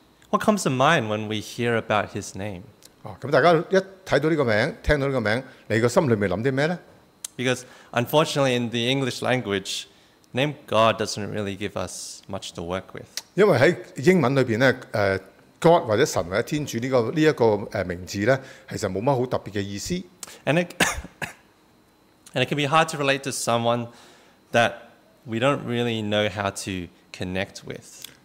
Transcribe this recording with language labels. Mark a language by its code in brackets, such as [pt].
[en] What comes to mind when we hear about his name? [yue] 咁大家一睇到呢個名，聽到呢個名，你個心裏面諗啲咩咧？ [en] Because unfortunately in the English language, name God doesn't really give us much to work with. [yue] 因為喺英文裏邊咧， God 或者神或者天主呢個名字咧，其實冇乜好特別嘅意思。 [en] And it can be hard to relate to someone that we don't really know how to connect with.